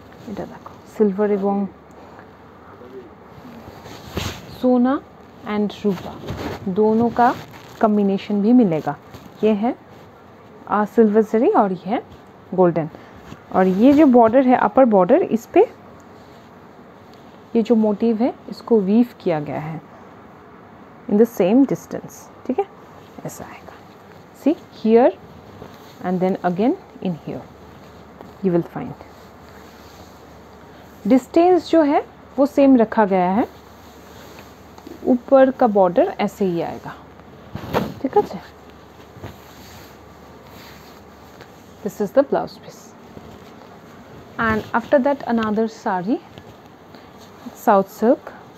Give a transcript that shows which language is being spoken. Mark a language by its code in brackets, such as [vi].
[bn] এটা দেখো [hi] silver এবং sona and rupa dono ka combination bhi milega. ये है सिल्वर जरी और ये है गोल्डन। और ये जो बॉर्डर है अपर बॉर्डर, इस पर ये जो मोटिव है इसको वीव किया गया है [en] in the same distance, [hi] ठीक है। ऐसा आएगा, [en] See here and then again in here you will find. [hi] Distance जो है वो सेम रखा गया है, ऊपर का बॉर्डर ऐसे ही आएगा, ठीक है। [en] This is the blouse piece. And after that another sari, south silk.